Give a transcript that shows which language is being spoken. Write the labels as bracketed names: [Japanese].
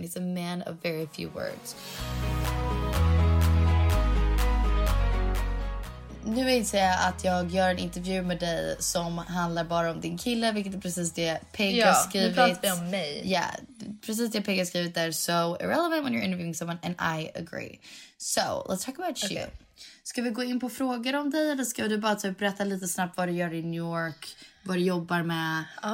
[English] He's a man of very few words. [Swedish] Nu inser jag att jag gör en intervju med dig som handlar bara om din kille, vilket är precis det Peggy har skrivit. Ja, nu pratar vi om mig. Ja, precis det Peggy har skrivit där. [English] So irrelevant when you're interviewing someone, and I agree. So, let's talk about you. [Swedish] Ska vi gå in på frågor om dig, eller ska du bara typ berätta lite snabbt vad du gör i New York, vad du jobbar med?